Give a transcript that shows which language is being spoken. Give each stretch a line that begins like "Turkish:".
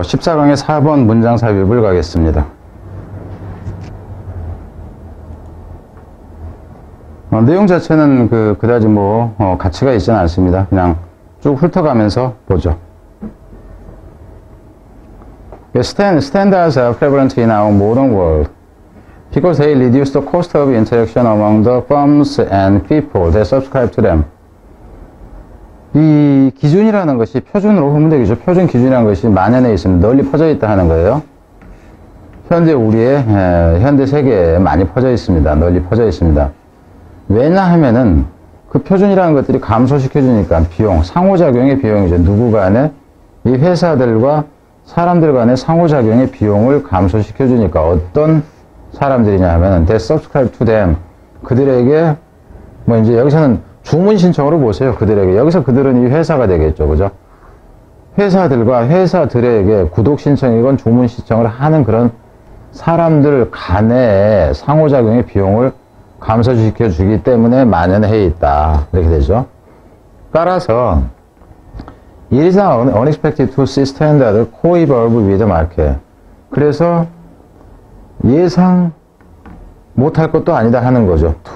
Korean: 14강의 4번 문장 삽입을 가겠습니다. 내용 자체는 그다지 가치가 있지는 않습니다. 그냥 쭉 훑어가면서 보죠.
English: Standards are prevalent in our modern world because they reduce the cost of interaction among the firms and people that subscribe to them.
Korean: 이 기준이라는 것이 표준으로 보면 되겠죠. 표준 기준이라는 것이 만연해 있으면 널리 퍼져 있다 하는 거예요. 현재 우리의 현대 세계에 많이 퍼져 있습니다. 널리 퍼져 있습니다. 왜냐하면은 그 표준이라는 것들이 감소시켜 주니까 비용, 상호작용의 비용이죠. 누구 간에 이 회사들과 사람들 간의 상호작용의 비용을 감소시켜 주니까 어떤 사람들이냐 하면은
English: they subscribe to them.
Korean: 그들에게 뭐 이제 여기서는 주문 신청으로 보세요. 그들에게. 여기서 그들은 이 회사가 되겠죠. 그죠? 회사들과 회사들에게 구독 신청이건 주문 신청을 하는 그런 사람들 간의 상호작용의 비용을 감소시켜 주기 때문에 만연해 있다. 이렇게 되죠.
English: 따라서, It is unexpected to see standard co-evolve with the market.
Korean: 그래서 예상 못할 것도 아니다 하는 거죠.